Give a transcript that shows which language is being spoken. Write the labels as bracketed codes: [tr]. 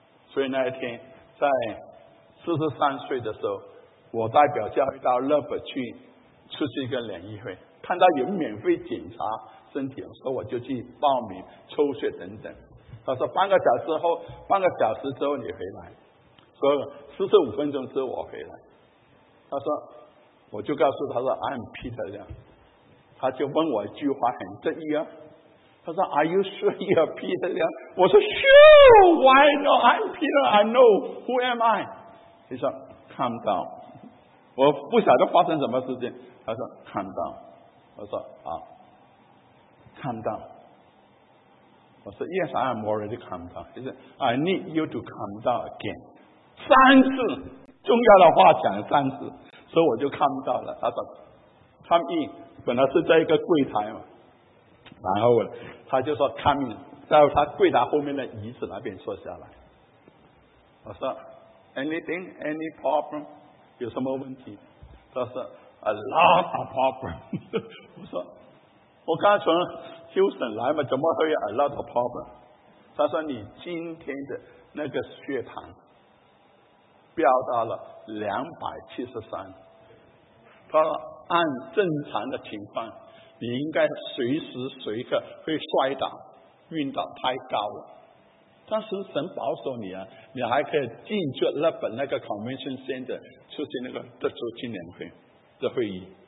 [zh] 所以那一天，在43岁的时候，我代表教会到日本去出席一个联谊会，看到有免费检查身体，所以我就去报名抽血等等。他说半个小时之后你回来，说45分钟之后我回来。他说，我就告诉他说 [en] I'm Peter [zh] 这样。他就问我一句话，很得意啊。他说 [en] Are you sure you're Peter [zh] 这样？我说 [en] Sure, why not? I'm Peter, I know who am I. [zh] 他说 [en] Calm down。 [zh] 我不晓得发生什么事情。他说 [en] Calm down。 [zh] 我说啊 Calm down。我说 [en] Yes, I am already calm down. He said, I need you to calm down again. [zh] 3次重要的话讲了3次，所以我就看不到了。他说 [en] come in， [zh] 本来是在一个柜台嘛，然后他就说 come in， 在他柜台后面的椅子那边坐下来。我说 [en] anything any problem， [zh] 有什么问题？他说 [en] a lot of problem。 [zh] 我说我刚从 Houston 来嘛，怎么会有 [en] a lot of problem？ [zh] 他说你今天的那个血糖飙到了273，他说按正常的情况你应该随时随刻会摔倒晕倒，太高了，但是神保守你啊，你还可以进去日本那个 convention center 出席那个德州青年会的会议。